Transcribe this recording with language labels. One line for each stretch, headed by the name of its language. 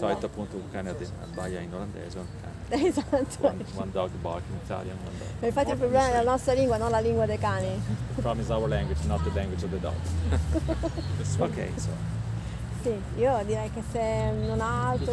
Italian: Di solito appunto un cane abbaia in olandese o un cane. Esatto.
English: One dog bark in Italian, one dog.
Italian: Ma infatti il problema è la nostra lingua, non la lingua dei cani.
English: The problem is our language, not the language of the dog. Ok, so.
Italian: Sì, io direi che se non ha altro